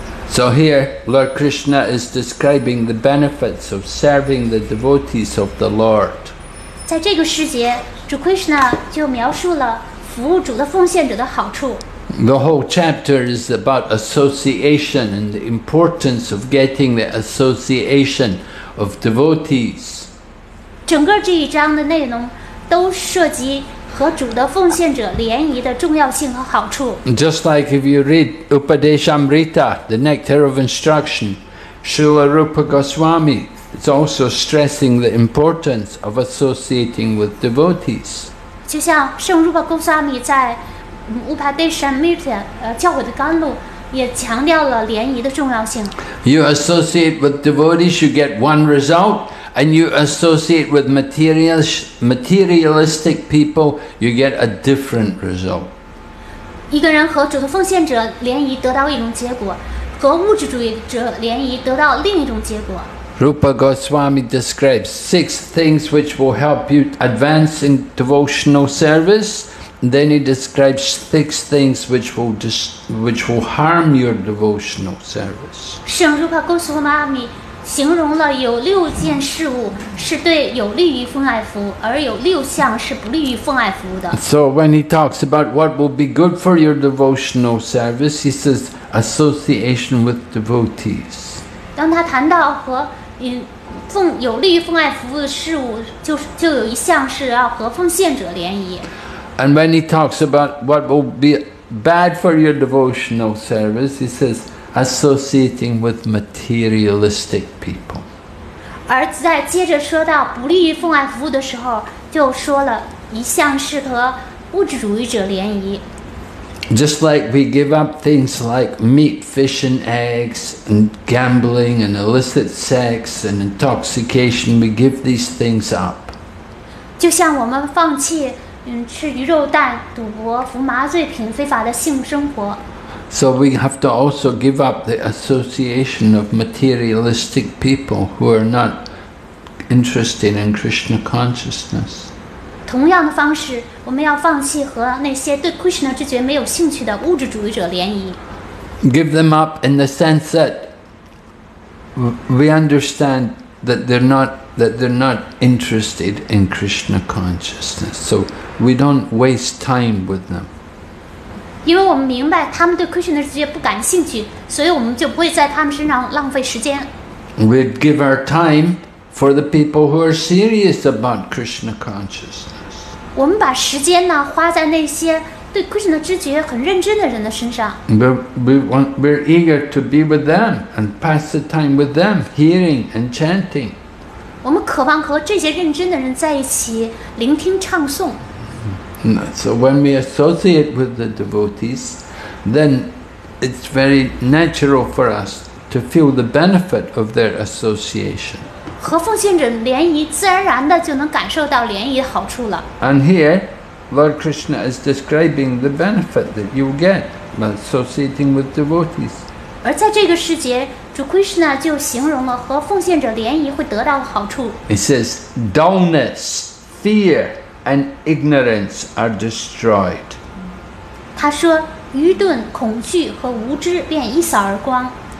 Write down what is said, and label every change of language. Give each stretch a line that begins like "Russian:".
English: So here, Lord Krishna is describing the benefits of serving the devotees of the Lord.
Chinese: 在这个时节, 主 Krishna 就描述了服务主的奉献者的好处。
English: The whole chapter is about association and the importance of getting the association of devotees.
Chinese: 整个这一章的内容都涉及 和主的奉献者联谊的重要性和好处
English: Just like if you read Upadeshamrita, the Nectar of Instruction, Srila Rupa Goswami, it's also stressing the importance of associating with devotees.
Chinese: 就像圣Rupa Goswami 在Upadeshamrita 教会的甘露也强调了联谊的重要性。
English: You associate with devotees, you get one result, and you associate with materialistic people, you get a different result.
Chinese: 一个人和主的奉献者联谊得到一种结果，和物质主义者联谊得到另一种结果。
English: Rupa Goswami describes six things which will help you advance in devotional service. Then he describes six things which will harm your devotional service.
Chinese: 圣 Rupa Goswami 形容了有六件事物是对有利于奉爱服务，而有六项是不利于奉爱服务的。
English: So when he talks about what will be good for your devotional service, he says association with devotees.
Chinese: 当他谈到和有利于奉爱服务的事物 就有一项是要和奉献者联谊。
English: And when he talks about what will be bad for your devotional service, he says associating with materialistic people.
Chinese: 而在接着说到不利于奉爱服务的时候，就说了一项是和物质主义者联谊。
English: Just like we give up things like meat, fish and eggs, and gambling, and illicit sex, and intoxication, we give these things up.
Chinese: 就像我们放弃吃鱼肉蛋、赌博、服麻醉品、非法的性生活。
English: So we have to also give up the association of materialistic people who are not interested in Krishna consciousness.
Chinese: 同样的方式，我们要放弃和那些对 Krishna 知觉没有兴趣的物质主义者联谊。
English: Give them up in the sense that we understand that they're not interested in Krishna consciousness, so we don't waste time with them.
Chinese: 因为我们明白他们对 Krishna 知觉不感兴趣，所以我们就不会在他们身上浪费时间。
English: We give our time for the people who are serious about Krishna consciousness.
Chinese: 我们把时间呢花在那些对 Krishna 知觉很认真的人的身上。
English: We're eager to be with them and pass the time with them, hearing and chanting.
Chinese: 我们渴望和这些认真的人在一起聆听唱诵。
English: So when we associate with the devotees, then it's very natural for us to feel the benefit of their association.
Chinese: 和奉献者联谊，自然而然的就能感受到联谊的好处了。
English: And here, Lord Krishna is describing the benefit that you get by associating with devotees.
Chinese: 而在这个世界，主 Krishna 就形容了和奉献者联谊会得到的好处。
English: He says, dullness, fear, and ignorance are destroyed.
Chinese: 他说，愚钝、恐惧和无知便一扫而光。